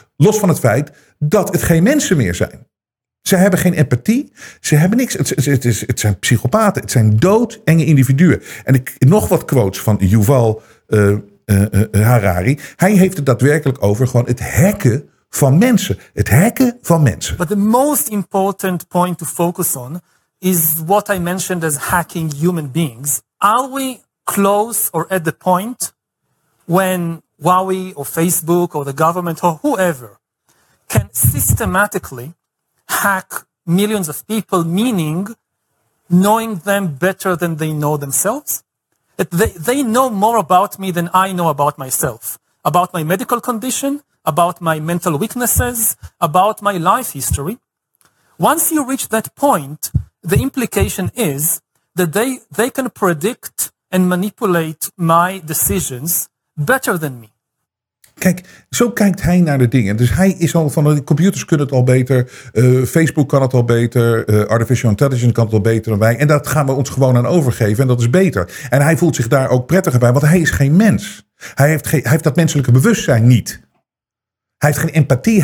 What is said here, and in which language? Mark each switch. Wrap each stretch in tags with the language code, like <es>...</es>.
<nl>Los van het feit dat het geen mensen meer zijn. Ze hebben geen empathie, ze hebben niks. Het zijn psychopaten, het zijn doodenge individuen. En ik nog wat quotes van Yuval Harari. Hij heeft het daadwerkelijk over gewoon het hacken van mensen. Het hacken van mensen.</nl> <en>But the most important point to focus on is what I mentioned as hacking human beings. Are we close or at the point when Huawei or Facebook or the government or whoever can systematically hack millions of people, meaning knowing them better than they know themselves. They know more about me than I know about myself, about my medical condition, about my mental weaknesses, about my life history. Once you reach that point, the implication is that they can predict and manipulate my decisions better than me.</en> <nl>Kijk, zo kijkt hij naar de dingen. Dus hij is al van, de computers kunnen het al beter. Facebook kan het al beter. Artificial intelligence kan het al beter dan wij. En dat gaan we ons gewoon aan overgeven. En dat is beter. En hij voelt zich daar ook prettiger bij. Want hij is geen mens. Hij heeft dat menselijke bewustzijn niet. Hij heeft geen empathie.</nl>